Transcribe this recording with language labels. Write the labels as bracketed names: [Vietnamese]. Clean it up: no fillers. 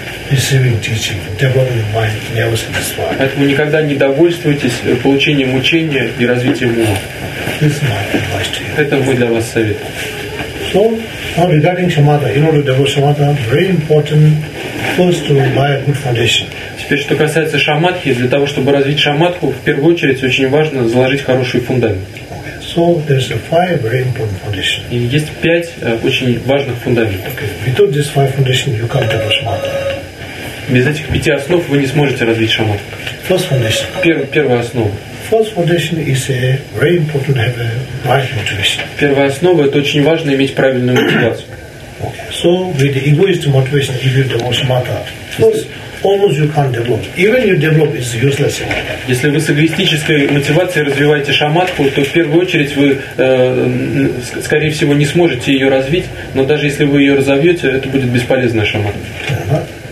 [English] Receiving teaching, developing mind, never satisfied. [Russian] Поэтому никогда не довольствуйтесь получением учения и развитием ума. [English] This is my advice to you. [Russian] Это мой для вас совет. [English] So, now regarding shamatha, in order to develop shamatha, very important first to lay a good foundation. [Russian] Теперь, что касается шаматхи, для того, чтобы развить шаматху, в первую очередь очень важно заложить хороший фундамент. [English] So there's a five very important foundation. [Russian] И есть пять очень важных фундаментов. [English] Okay. Without these five foundations, you can't develop shamatha. [Russian] Без этих пяти основ вы не сможете развить шамат. [English] First foundation. [Russian] Первая основа. [English] First foundation is a very important to have a right motivation. [Russian] Первая основа — это очень важно иметь правильную мотивацию. [English] So with the egoistic motivation, if you develop shamatha, first almost you can't develop. Even you develop, it's useless. [Russian] Если вы с эгоистической мотивацией развиваете шаматку, то в первую очередь вы, скорее всего, не сможете ее развить. Но даже если вы ее разовьете, это будет бесполезная шаматка.